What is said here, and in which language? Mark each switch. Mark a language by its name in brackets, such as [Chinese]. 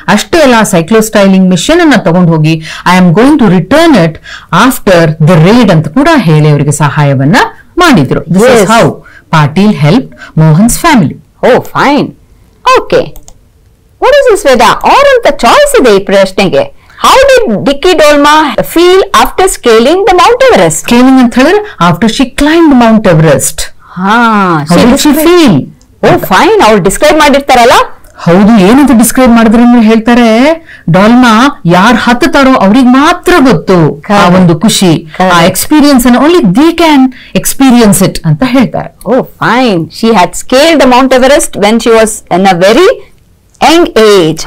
[Kannada] ಅಷ್ಟೇ ಅಲ್ಲ, cyclo styling machine ಅನ್ನ ತಗೊಂಡು ಹೋಗಿ, [English] I am going to return it after the raid [Kannada] ಅಂತ ಕೂಡ ಹೇಳಿ ಅವರಿಗೆ ಸಹಾಯವನ್ನ ಮಾಡಿದ್ರು. [English] This is how Patil help Mohan's family. Oh fine, okay, what is this Veda, ಆರ್ [Kannada] ಅಂತ ಚಾಯ್ಸ್ ಇದೆ ಈ ಪ್ರಶ್ನೆಗೆ. [English] How did Dickie Dolma feel after scaling the Mount Everest? Scaling and thriller, after she climbed Mount Everest. Haan, how did she feel? Oh, okay. Fine, [Kannada] avaru describe madirtharala. ಹೌದು, ಏನಂತ describe ಮಾಡಿದ್ರೆ ಹೇಳ್ತಾರೆ, ಡಾಲ್ಮಾ ಯಾರ್ ಹತ್ತಾರೋ ಅವ್ರಿಗೆ ಮಾತ್ರ ಗೊತ್ತು ಆ ಒಂದು ಖುಷಿ, ಆ ಎಕ್ಸ್ಪೀರಿಯನ್ಸ್ ಅನ್ನ [English] only they can experience it [Kannada] ಅಂತ ಹೇಳ್ತಾರೆ. [English] Oh fine, she had scaled Mount Everest when she was in a very young age.